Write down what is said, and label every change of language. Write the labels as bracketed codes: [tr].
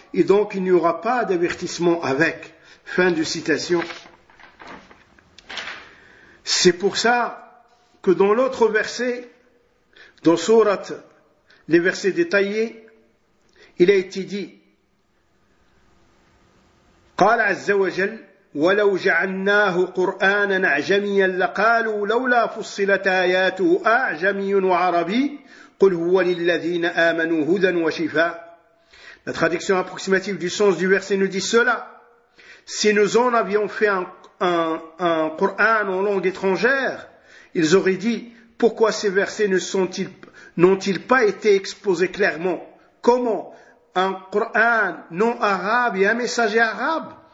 [fr] Et donc il n'y aura pas d'avertissement avec. Fin de citation. C'est pour ça que dans l'autre verset, dans Sourate, les versets détaillés, il a été dit: [ar] قال عز وجل ولو جعلناه قرآنا أعجميا لقالوا لولا فصلت آياته أعجمي وعربي قل هو للذين آمنوا هدى وشفاء. [fr] La traduction approximative du sens du verset nous dit cela. Si nous en avions fait un Coran en langue étrangère, ils auraient dit pourquoi ces versets n'ont-ils pas été exposés clairement? Comment un Coran non arabe et un messager arabe?